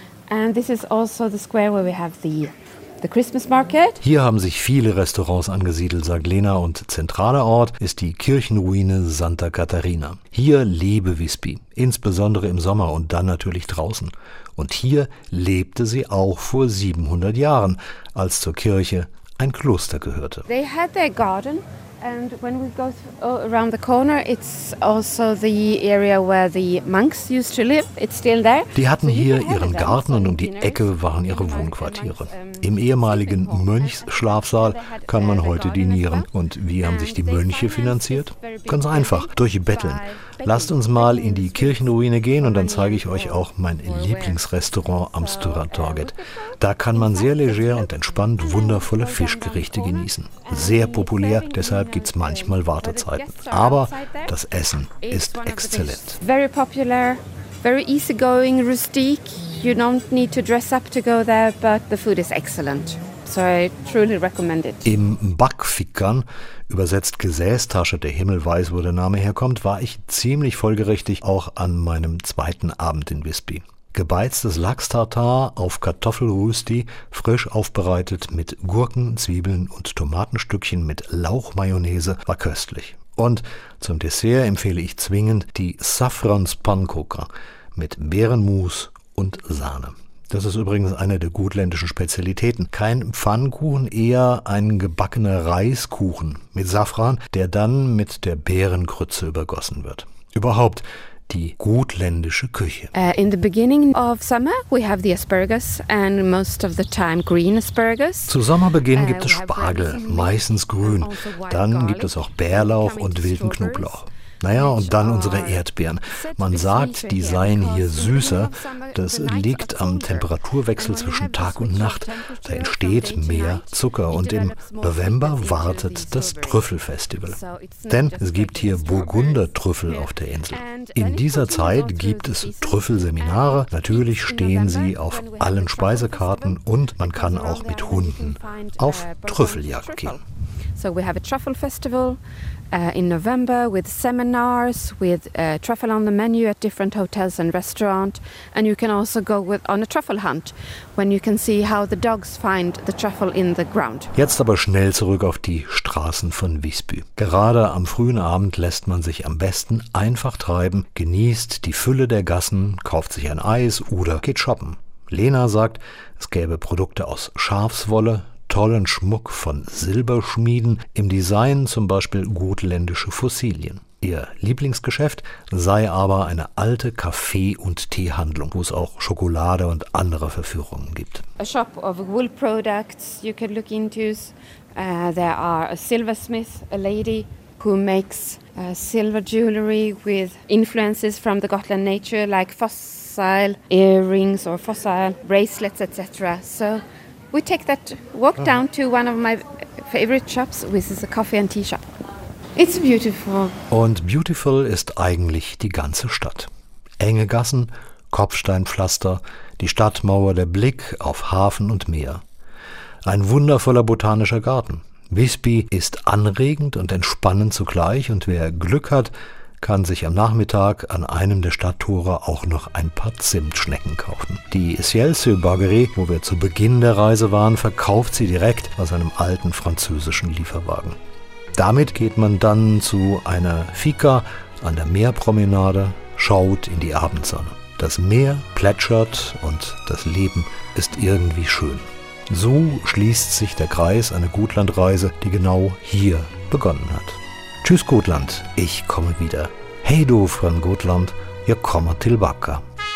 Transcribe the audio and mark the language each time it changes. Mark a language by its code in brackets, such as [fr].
[en] And this is also the square where we have the Christmas market. [de] Hier haben sich viele Restaurants angesiedelt, sagt Lena, und zentraler Ort ist die Kirchenruine Santa Catarina. Hier lebe Visby, insbesondere im Sommer und dann natürlich draußen. Und hier lebte sie auch vor 700 Jahren, als zur Kirche ein Kloster gehörte. [en] They had their garden and when we go around the corner it's also the area where the monks used to live. It's still there. [de] Die hatten hier ihren Garten und um die Ecke waren ihre Wohnquartiere. Im ehemaligen Mönchsschlafsaal kann man heute dinieren. Und wie haben sich die Mönche finanziert? Ganz einfach, durch Betteln. Lasst uns mal in die Kirchenruine gehen und dann zeige ich euch auch mein Lieblingsrestaurant am Stora Torget. Da kann man sehr leger und entspannt wundervolle Fischgerichte genießen. Sehr populär, deshalb gibt es manchmal Wartezeiten. Aber das Essen ist exzellent. [en] Very popular, very easygoing, rustique. You don't need to dress up to go there, but the food is excellent. So I truly recommend it. [de] Im Backfickern, übersetzt Gesäßtasche, der Himmel weiß, wo der Name herkommt, war ich ziemlich folgerichtig auch an meinem zweiten Abend in Visby. Gebeiztes Lachs-Tartar auf Kartoffelrösti, frisch aufbereitet mit Gurken, Zwiebeln und Tomatenstückchen mit Lauchmayonnaise, war köstlich. Und zum Dessert empfehle ich zwingend die Safranspannkuchen mit Beerenmus und Sahne. Das ist übrigens eine der gutländischen Spezialitäten. Kein Pfannkuchen, eher ein gebackener Reiskuchen mit Safran, der dann mit der Beerengrütze übergossen wird. Überhaupt die gutländische Küche. [en] In the beginning of summer we have the asparagus and most of the time green asparagus. [de] Zu Sommerbeginn gibt es Spargel, meistens grün. Dann gibt es auch Bärlauch und wilden Knoblauch. Naja, und dann unsere Erdbeeren. Man sagt, die seien hier süßer. Das liegt am Temperaturwechsel zwischen Tag und Nacht. Da entsteht mehr Zucker. Und im November wartet das Trüffelfestival. Denn es gibt hier Burgundertrüffel auf der Insel. In dieser Zeit gibt es Trüffelseminare. Natürlich stehen sie auf allen Speisekarten. Und man kann auch mit Hunden auf Trüffeljagd gehen. [en] So we have a truffle festival in November with seminars, with truffle on the menu at different hotels and restaurants. And you can also go with on a truffle hunt, when you can see how the dogs find the truffle in the ground. [de] Jetzt aber schnell zurück auf die Straßen von Visby. Gerade am frühen Abend lässt man sich am besten einfach treiben, genießt die Fülle der Gassen, kauft sich ein Eis oder geht shoppen. Lena sagt, es gäbe Produkte aus Schafswolle, tollen Schmuck von Silberschmieden, im Design zum Beispiel gotländische Fossilien. Ihr Lieblingsgeschäft sei aber eine alte Kaffee- und Teehandlung, wo es auch Schokolade und andere Verführungen gibt. [en] A shop of wool products you can look into. There are a silversmith, a lady who makes silver jewelry with influences from the Gotland nature, like fossil earrings or fossil bracelets, etc. So we take that walk down to one of my favorite shops, which is a coffee and tea shop. It's beautiful. [de] Und beautiful ist eigentlich die ganze Stadt. Enge Gassen, Kopfsteinpflaster, die Stadtmauer, der Blick auf Hafen und Meer. Ein wundervoller botanischer Garten. Visby ist anregend und entspannend zugleich, und wer Glück hat, kann sich am Nachmittag an einem der Stadttore auch noch ein paar Zimtschnecken kaufen. Die Sjelsø Bageri, wo wir zu Beginn der Reise waren, verkauft sie direkt aus einem alten französischen Lieferwagen. Damit geht man dann zu einer Fika an der Meerpromenade, schaut in die Abendsonne. Das Meer plätschert und das Leben ist irgendwie schön. So schließt sich der Kreis einer Gotlandreise, die genau hier begonnen hat. Tschüss Gotland, ich komme wieder. [sv] Hej då från Gotland, jag kommer tillbaka.